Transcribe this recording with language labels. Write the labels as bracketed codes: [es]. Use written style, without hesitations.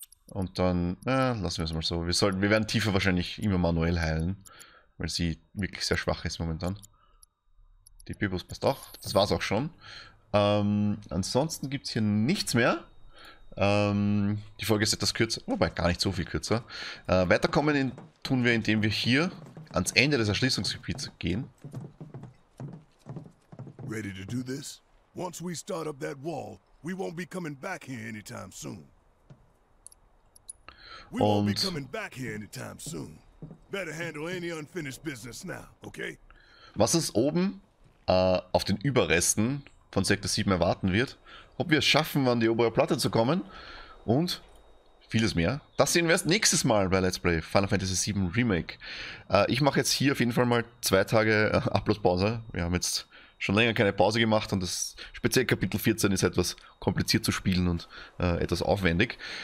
[de] Und dann lassen wir es mal so. Wir werden Tifa wahrscheinlich immer manuell heilen, weil sie wirklich sehr schwach ist momentan. Die Bibus passt auch. Das war's auch schon. Ansonsten gibt es hier nichts mehr. Die Folge ist etwas kürzer, wobei gar nicht so viel kürzer. Weiterkommen tun wir, indem wir hier ans Ende des Erschließungsgebiets gehen. [en] Ready to do this? Once we start up that wall, we won't be coming back here anytime soon. We won't be [de] Und [en] coming back here anytime soon. Better handle any unfinished business now, okay? [de] was ist oben auf den Überresten von Sektor 7 erwarten wird, ob wir es schaffen, an die obere Platte zu kommen und vieles mehr. Das sehen wir erst nächstes Mal bei Let's Play Final Fantasy 7 Remake. Ich mache jetzt hier auf jeden Fall mal 2 Tage Upload-Pause. Wir haben jetzt schon länger keine Pause gemacht und das speziell Kapitel 14 ist etwas kompliziert zu spielen und etwas aufwendig.